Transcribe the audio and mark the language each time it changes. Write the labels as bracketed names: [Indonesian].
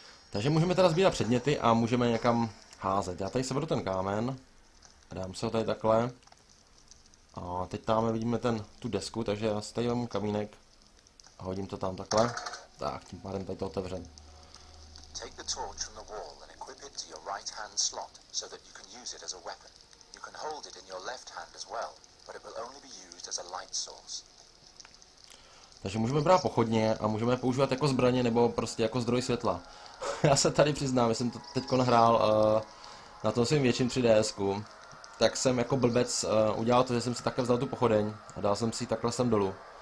[Czech] Takže můžeme teda sbírat předměty a můžeme někam házet. Já tady seberu ten kámen. A dám se ho tady takhle. A teď tam vidíme tu desku, takže já si tady vám kamínek. A hodím to tam takhle. Tak, tím pádem tady to otevřem. [English] Take the torch from the wall and equip it to your right hand slot so that you can use it as a weapon. You can hold it in your left hand as well, but it will only be used as a light source. [Czech] Takže můžeme brát pochodně a můžeme používat jako zbraně nebo prostě jako zdroj světla. Já se tady přiznám, že jsem to teďko nahrál na tom svým větším 3DSku. Tak jsem jako blbec udělal to, že jsem si takhle vzal tu pochodeň a dal jsem si ji takhle sem dolů.